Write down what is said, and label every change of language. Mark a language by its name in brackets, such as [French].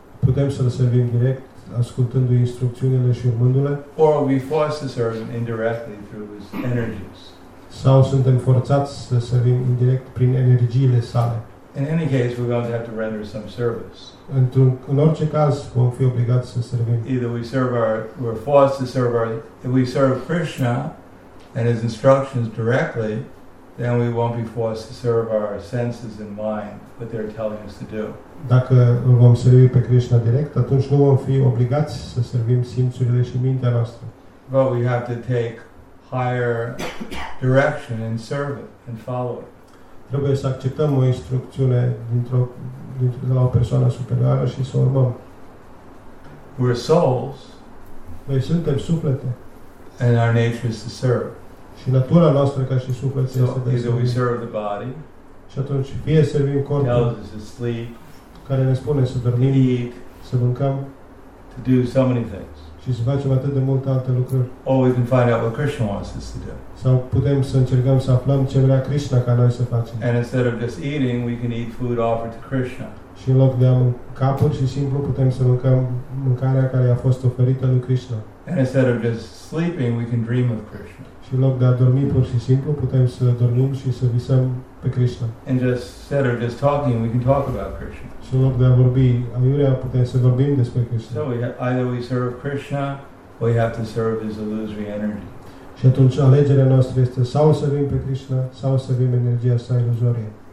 [Romanian] Putem să-l servim direct, ascultându-i instrucțiunile și urmându-le. [English] Or we force to serve him indirectly through his energies. [Romanian] Sau suntem forțați să servim indirect prin energiile sale. [English] In any case, we're going to have to render some service. [Romanian] În orice caz, vom fi obligați să servim. [English] Either we serve our, we're forced to serve our, if we serve Krishna and his instructions directly, then we won't be forced to serve our senses and mind what they're telling us to do. [Romanian] Dacă vom servi pe Krishna direct, atunci nu vom fi obligați să servim simțurile și mintea noastră. [English] But we have to take higher direction and serve it and follow it. [Romanian] Trebuie să acceptăm o instrucțiune de la o persoană superioară și să urmăm. [English] We're souls. [Romanian] Noi suntem suflete. [English] And our nature is to serve. [Romanian] Și natura noastră ca și suflet este de servit. [English] So either we serve the body. [Romanian] Și atunci fie servim corpul. [English] Tells us to sleep. [Romanian] Care ne spune să dormim. [English] To eat. [Romanian] Să mâncăm. [English] To do so many things. [Romanian] Și să facem atât de multe alte lucruri. [English] Or we can find out what Krishna wants us to do. [Romanian] Sau putem să încercăm să aflăm ce vrea Krishna ca noi să facem. [English] And instead of just eating, we can eat food offered to Krishna. [Romanian] Și în loc de a mânca, pur și simplu, putem să mâncăm mâncarea care a fost oferită lui Krishna. [English] And instead of just sleeping, we can dream of Krishna. [Romanian] Și în loc de a dormi, pur și simplu, putem să dormim și să visăm pe Krishna. [English] And just instead of just talking, we can talk about Krishna. [Romanian] Și în loc de a vorbi, aiurea, putem să vorbim despre Krishna. [English] So either we serve Krishna, or we have to serve his illusory energy. [Romanian] Și atunci alegerea noastră este sau să servim pe Krishna, sau să servim energia sa iluzorie.